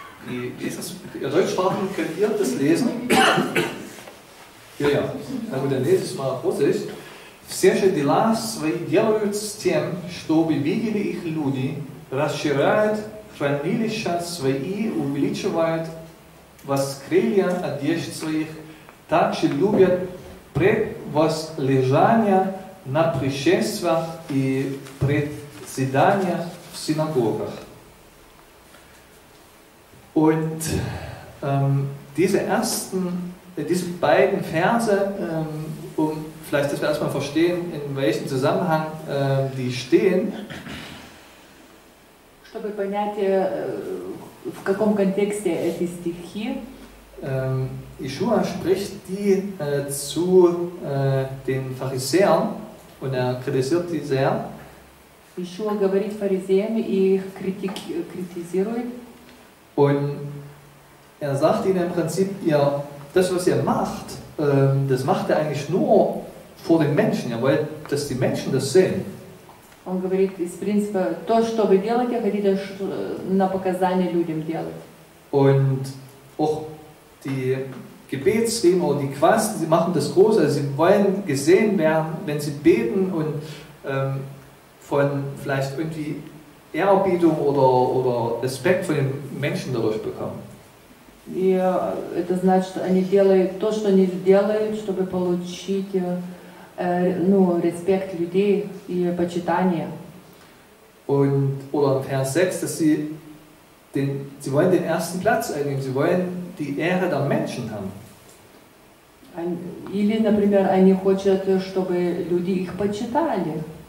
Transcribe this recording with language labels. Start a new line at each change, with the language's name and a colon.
German: Ihr Deutschsprachen könnt ihr das lesen? Ja. Na gut, dann lese es mal Russisch.
Russian: Все же дела свои делают с тем, чтобы видели их люди, расширяют хранилища свои, увеличивают воскрелья одежд своих, также любят превозлежание на пришествиях и председаниях в синагогах.
German: Und diese beiden Verse, um vielleicht, dass wir erstmal verstehen, in welchem Zusammenhang die stehen.
Russian: Чтобы понять, в каком контексте эти стихи.
German: Yeshua spricht die zu den Pharisäern. Und er kritisiert die sehr.
Russian: Yeshua говорит фарисеям и критизирует.
German: Und er sagt ihnen im Prinzip, das, was ihr macht, das macht ihr eigentlich nur vor den Menschen. Ihr wollt, dass die Menschen das sehen.
Russian: Он говорит из принципа, то, что вы делаете, хотите на показание людям делать.
German: Und auch die Gebetsriemen oder die Quasten, sie machen das groß, also sie wollen gesehen werden, wenn sie beten und von vielleicht irgendwie Ehrerbietung oder Respekt von den Menschen dadurch bekommen.
Russian: Ja, это значит, они делают то, что они делают, чтобы получить Respekt людей и почитание.
German: Und, oder Vers 6, dass sie Denn sie wollen den ersten Platz einnehmen, sie wollen die Ehre der Menschen haben.
Russian: Или, например, они хотят, чтобы люди их почитали.